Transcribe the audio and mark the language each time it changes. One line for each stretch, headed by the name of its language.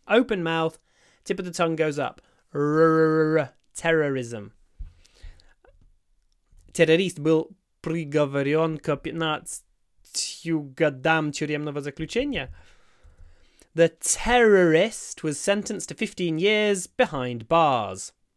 English: Open mouth, tip of the tongue goes up. Terrorism.
Russian: Terrorist был приговорен к 15 годам тюремного заключения.
English: The terrorist was sentenced to 15 years behind bars.